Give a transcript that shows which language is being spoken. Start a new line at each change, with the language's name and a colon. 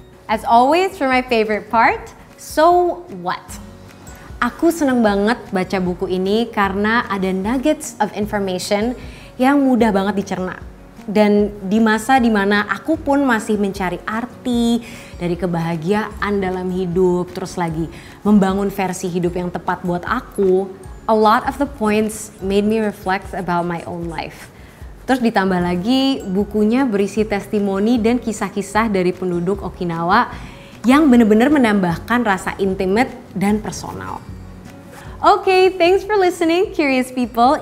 English: As always, for my favorite part, so what?
Indonesian: Aku senang banget baca buku ini karena ada
English: nuggets of information
Indonesian: yang mudah banget dicerna. Dan di masa dimana aku pun masih mencari arti dari kebahagiaan dalam hidup, terus lagi membangun versi hidup yang tepat buat aku,
English: a lot of the points made me reflect about my own life.
Indonesian: Terus ditambah lagi, bukunya berisi testimoni dan kisah-kisah dari penduduk Okinawa yang benar-benar menambahkan rasa intimate dan personal.
English: Okay, thanks for listening, curious people.